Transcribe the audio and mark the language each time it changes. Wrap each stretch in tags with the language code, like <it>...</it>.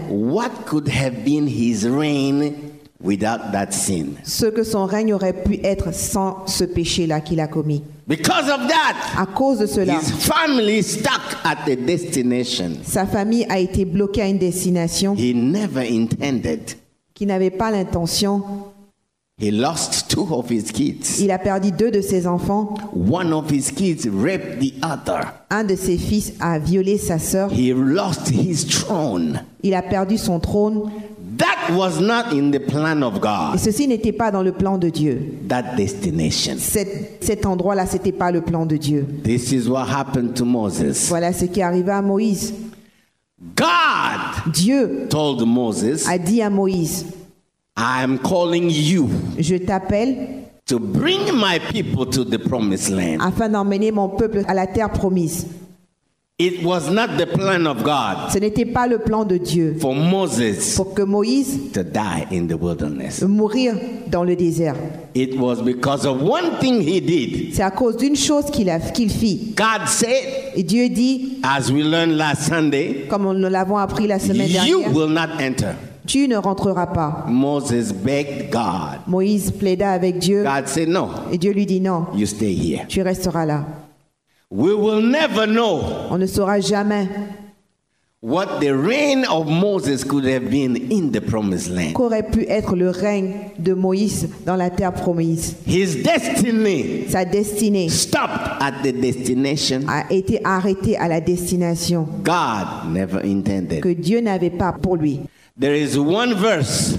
<en>What could have been his reign without that sin?</en> <fr>Ce que son règne aurait pu être sans ce péché-là qu'il a commis.</fr> <en>Because of that.</en> <fr>À cause de cela.</fr> <en>His family stuck at the destination.</en> <fr>Sa famille a été bloquée à une destination.</fr> <en>He never intended.</en> <fr>Qui n'avait pas l'intention.</fr> <en>He lost two of his kids.</en> <fr>Il a perdu deux de ses enfants.</fr> <en>One of his kids raped the other.</en> <fr>Un de ses fils a violé sa sœur.</fr> <en>He lost his throne.</en> <fr>Il a perdu son trône.</fr> <en>That was not in the plan of God.</en> <fr>Et ceci n'était pas dans le plan de Dieu.</fr> <en>That destination.</en> <fr>Cet endroit-là, c'était pas le plan de Dieu.</fr> <en>This is what happened to Moses.</en> <fr>Voilà ce qui arriva à Moïse.</fr> <en>God.</en> <fr>Dieu.</fr> <en>Told Moses.</en> <fr>A dit à Moïse.</fr> <en>I am calling you.</en> <fr>Je t'appelle.</fr> <en>to bring my people to the promised land.</en> <fr>Afin d'emmener mon peuple à la terre promise.</fr> <en>It was not the plan of God.</en> <fr>Ce n'était pas le plan de Dieu.</fr> <en>For Moses.</en> <fr>Pour que Moïse.</fr> <en>To die in the wilderness.</en> <fr>Mourir dans le désert.</fr> <en>It was because of one thing he did.</en> <fr>C'est à cause d'une chose qu'il fit.</fr> <en>God said.</en> <fr>Et Dieu dit.</fr> <en>As we learned last Sunday.</en> <fr>Comme nous l'avons appris la semaine dernière.</fr> <en>You will not enter.</en> <fr>Tu ne rentreras pas.</fr> <en>Moses begged God.</en> <fr>Moïse plaida avec Dieu.</fr> <en>God said no.</en> <fr>Et Dieu lui dit non.</fr> <en>You stay here.</en> <fr>Tu resteras là.</fr> <en>We will never know.</en> <fr>On ne saura jamais.</fr> <en>What the reign of Moses could have been in the promised land.</en> <fr>Qu'aurait pu être le règne de Moïse dans la terre promise.</fr> <en>His destiny.</en> <fr>Sa destinée.</fr> <en>Stopped at the destination.</en> <fr>A été arrêté à la destination.</fr> <en>God never intended.</en> <fr>Que Dieu n'avait pas pour lui.</fr> <en>There is one verse.</en>